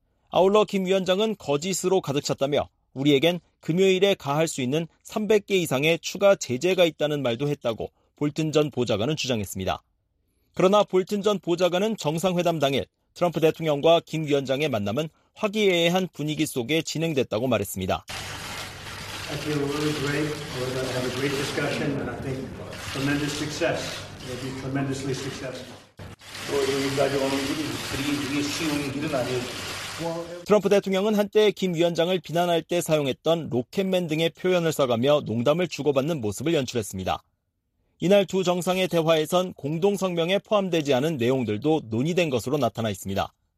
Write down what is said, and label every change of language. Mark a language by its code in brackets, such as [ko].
[ko] 아울러 김 위원장은 거짓으로 가득 찼다며 우리에겐 금요일에 가할 수 있는 300개 이상의 추가 제재가 있다는 말도 했다고 볼튼 전 보좌관은 주장했습니다. 그러나 볼튼 전 보좌관은 정상회담 당일 트럼프 대통령과 김 위원장의 만남은 화기애애한 분위기 속에 진행됐다고 말했습니다. [en] I feel really great. We're going to have a great discussion and I think tremendous success. It'll be tremendously successful. [ko] 또 여기까지 오는 길이 그리 쉬운 길은 아니에요. 트럼프 대통령은 한때 김 위원장을 비난할 때 사용했던 로켓맨 등의 표현을 써가며 농담을 주고받는 모습을 연출했습니다. 이날 두 정상의 대화에선 공동성명에 포함되지 않은 내용들도 논의된 것으로 나타나 있습니다.